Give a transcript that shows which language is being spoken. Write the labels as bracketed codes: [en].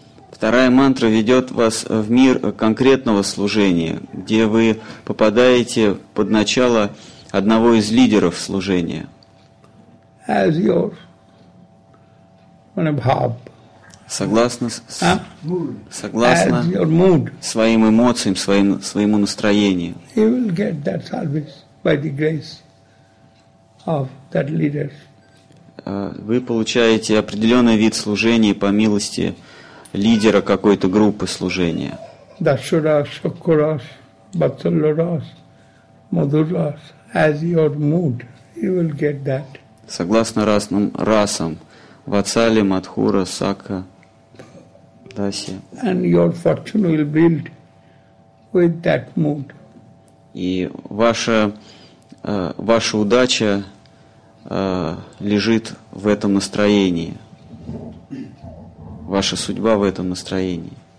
[ru] Вторая мантра ведет вас в мир конкретного служения, где вы попадаете под начало одного из лидеров служения. [en] As your bhav. [ru] Согласно согласно [en] as your mood. [ru] Своим эмоциям, своему настроению. [en] You will get that service by the grace. Of that leader. [ru] Вы получаете определенный вид служения по милости лидера какой-то группы служения. [en] Дашурас, Шокурас, Батсалурас, Мадурас, as your mood, you will get that. [ru] Согласно разным расам, Вацали, Мадхура, Сака, Даси. [en] And your fortune will build with that mood. [ru] И ваша удача лежит в этом настроении. Ваша судьба в этом настроении.